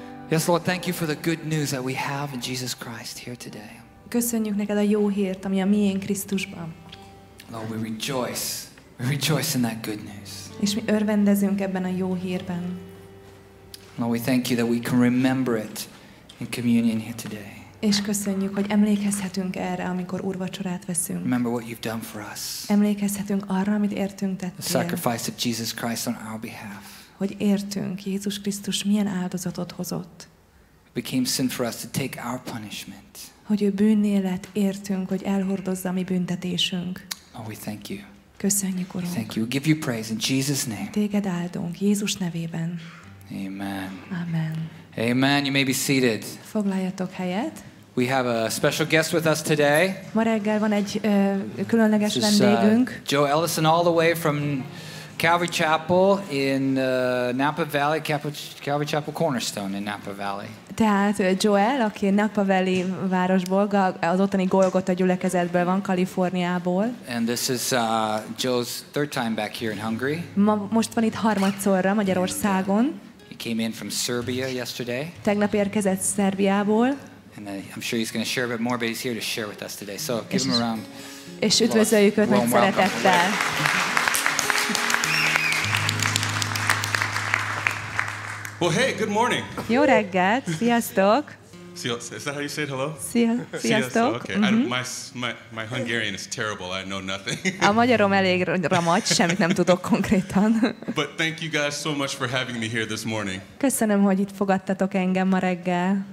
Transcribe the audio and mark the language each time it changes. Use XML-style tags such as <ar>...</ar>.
<en>Yes, Lord, thank you for the good news that we have in Jesus Christ here today.</en> <hu>Köszönjük neked a jó hírt, ami a miénk Krisztusban.</hu> <en>Lord, we rejoice. We rejoice in that good news.</en> <hu>És mi örvendezünk ebben a jó hírben.</hu> <en>Lord, we thank you that we can remember it in communion here today.</en> <hu>És köszönjük, hogy emlékezhetünk erre, amikor úrvacsorát veszünk.</hu> <en>Remember what you've done for us.</en> <hu>Emlékezhetünk arra, amit értünk tettél.</hu> <en>The sacrifice of Jesus Christ on our behalf.</en> <hu>Hogy értünk, Jézus Krisztus milyen áldozatot hozott.</hu> <en>Became sin for us to take our punishment.</en> <hu>Hogy ő bűnné lett, értünk, hogy elhordozza mi büntetésünk.</hu> <en>Oh, we thank you.</en> <hu>Köszönjük, Urunk.</hu> <en>Thank you. Give you praise in Jesus' name.</en> <hu>Téged áldunk Jézus nevében.</hu> <en>Amen. Amen. Amen. You may be seated.</en> <hu>Foglaljatok helyet.</hu> <en>We have a special guest with us today.</en> <hu>Ma reggel van egy különleges vendégünk.</hu> <en>Joe Ellison, all the way from Calvary Chapel in Napa Valley, Calvary Chapel Cornerstone in Napa Valley.</en> <hu>Tehát Joel, aki Napa Valley városból, az ottani Golgota gyülekezetből van, Kaliforniából.</hu> <en>And this is Joe's third time back here in Hungary.</en> <hu>Most van itt harmadszorra Magyarországon.</hu> <en>He came in from Serbia yesterday.</en> <hu>Tegnap érkezett Szerbiából.</hu> <en>And I'm sure he's going to share a bit more, but he's here to share with us today. So give him a round.</en> <hu>És üdvözöljük őt nagy szeretettel.</hu> <en>Well, hey, good morning.</en> <hu>Jó reggelt, sziasztok.</hu> <en>Is that how you say it, hello?</en> <hu>Sziasztok.</hu> <en>Okay. Mm-hmm. My Hungarian is terrible, I know nothing.</en> <hu>A magyarom elég ramacs, semmit nem tudok konkrétan.</hu> <en>But thank you guys so much for having me here this morning.</en> <hu>Köszönöm, hogy itt fogadtatok engem ma reggel.</hu>